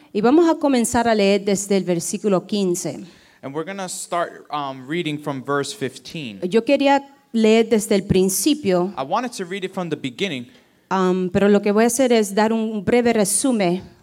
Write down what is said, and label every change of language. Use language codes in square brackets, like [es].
[es] Y vamos a comenzar a leer desde el versículo 15. [en] And we're going to start reading from verse 15. [es] Yo quería leer desde el principio. [en] I wanted to read it from the beginning. [es] Pero lo que voy a hacer es dar un breve resumen.